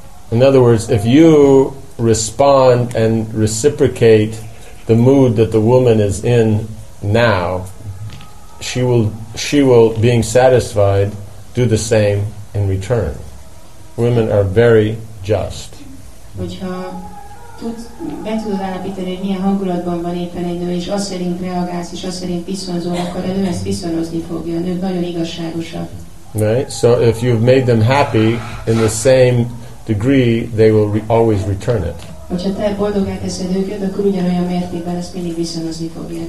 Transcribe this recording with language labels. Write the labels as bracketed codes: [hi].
[en] In other words, if you respond and reciprocate the mood that the woman is in now, she will, being satisfied, do the same in return. Women are very just. [hu] Hogyha be tudod állapítani, hogy milyen hangulatban van éppen egy nő, és azt szerint reagálsz, és azt szerint viszonyzol, akkor a nő ezt viszonyozni fogja. A nő nagyon igazságosak. [en] Right? So if you've made them happy in the same degree, they will always return it. [hu] Hogyha te boldoggá teszed őket, akkor ugyanolyan mértékben ezt mindig viszonyozni fogják.